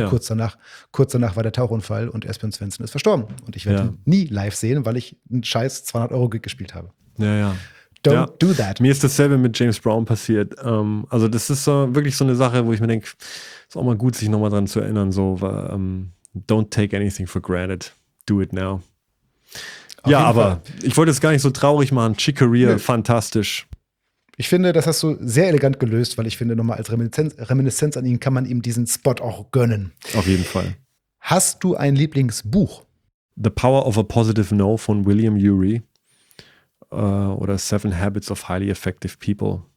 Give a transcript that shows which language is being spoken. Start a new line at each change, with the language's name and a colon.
German: ja. Kurz danach war der Tauchunfall und Espen Svensson ist verstorben. Und ich werde ihn nie live sehen, weil ich einen scheiß 200-Euro-Gig gespielt habe. Ja, ja.
English: Don't do that.
German: Mir ist dasselbe mit James Brown passiert. Also das ist wirklich so eine Sache, wo ich mir denke, ist auch mal gut, sich nochmal dran zu erinnern. So, weil,
English: don't take anything for granted. Do it now.
German: Ja, aber ich wollte es gar nicht so traurig machen. Chick Corea, fantastisch. Ich finde, das hast du sehr elegant gelöst, weil ich finde, nochmal als Reminiszenz an ihn kann man ihm diesen Spot auch gönnen. Auf jeden Fall. Hast du ein Lieblingsbuch?
English: The Power of a Positive No von William Ury. Oder Seven Habits of Highly Effective People.